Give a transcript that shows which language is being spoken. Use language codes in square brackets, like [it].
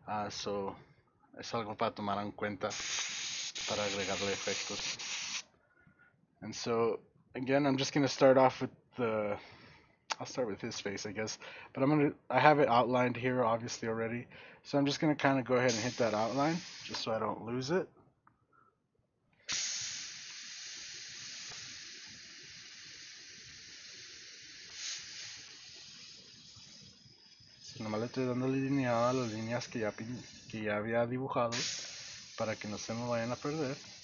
[es] So es algo para tomar en cuenta para agregarle efectos. [en] And so again, I'm just going to start off with I'll start with his face, I guess, but I have it outlined here obviously already. So I'm just going to kind of go ahead and hit that outline, just so I don't lose it. [es] So nomás le estoy dando lineado a las líneas que ya había dibujado, para que no se me vayan a perder.